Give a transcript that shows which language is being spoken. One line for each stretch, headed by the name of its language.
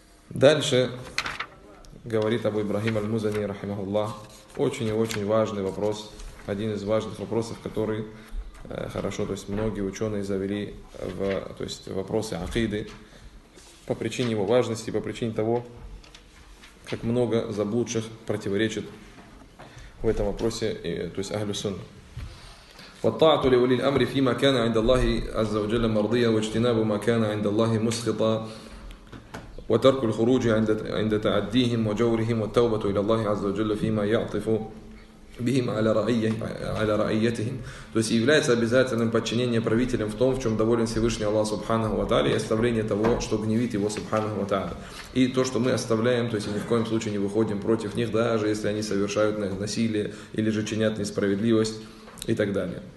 Russian: Дальше говорит об Ибрахим аль-Музани, рахимахуллах, очень и очень важный вопрос, один из важных вопросов, который хорошо, то есть многие ученые завели в, то есть вопросы акиды по причине его важности, по причине того, как много заблудших противоречит в этом вопросе, то есть Ахлю Сунна.
Arabic: والطاعة لولي الأمر فيما كان عند الله عز وجل مرضية واجتناب ما كان عند الله مسخطا وترك الخروج عند تعديهم وجورهم والتوبة إلى الله عز وجل فيما يعطف بهم على رعيتهم.
Russian: То есть является обязательным подчинение правителям в том, в чем доволен Всевышний Аллах Субханаху ва Тааля, и оставление того, что гневит его Субханаху ва Тааля. И то, что мы оставляем, то есть ни в коем случае не выходим против них, даже если они совершают насилие или же чинят несправедливость и так далее.